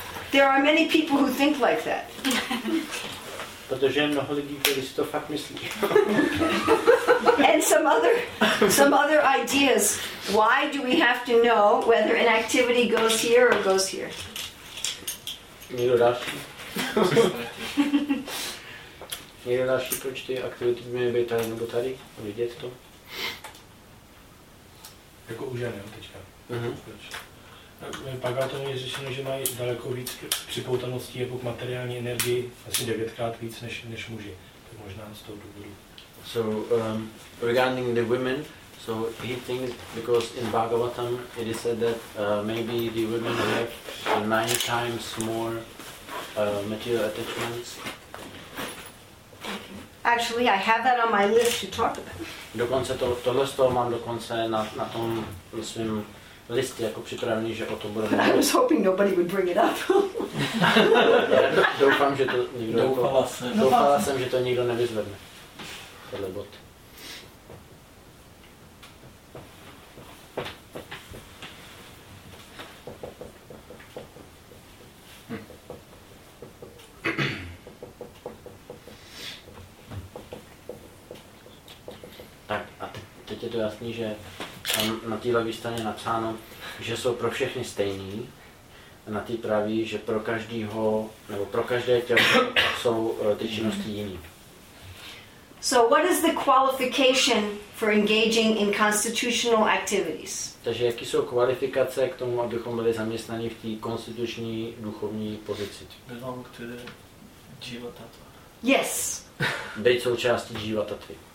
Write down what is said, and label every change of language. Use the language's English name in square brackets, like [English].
[English] There are many people who think like that. [Czech] Protože mnoho lidí, kteří si to fakt myslí. [English] And some other ideas. Why do we have to know whether an activity goes here or goes here? [Czech] Někdo další? Někdo další, proč ty aktivity by měly být tady nebo tady? Vidět to? Jako už ani, teďka. Pak to je řešeno, že mají daleko víc připoutaností jako k materiální energii, asi 9x víc než muži. Tak možná z toho důvodu. [English] So, regarding the women, so he thinks, because in Bhagavatam it is said that maybe the women have 9x more material attachments. Actually, I have that on my list to talk about. [Czech] Dokonce tohle z toho mám dokonce na tom svým listě jako připravený, že o tom budu mluvit. [English] I was hoping nobody would bring it up. [Czech] Doufám, že to nikdo Doufala jsem, že to nikdo nevyzvedne. Tohle bod. Tak a teď je to jasný, že tam na té levé straně napsáno, že jsou pro všechny stejný. A na té pravý, že pro každého nebo pro každé tělo jsou ty činnosti jiný. [English] So what is the qualification for engaging in constitutional activities? [Czech] Takže jaký jsou kvalifikace k tomu, abychom byli zaměstnaní v té konstituční duchovní pozici? [English] Belong to the jiva tattva. Yes. [Czech] Být součástí jiva tattvy.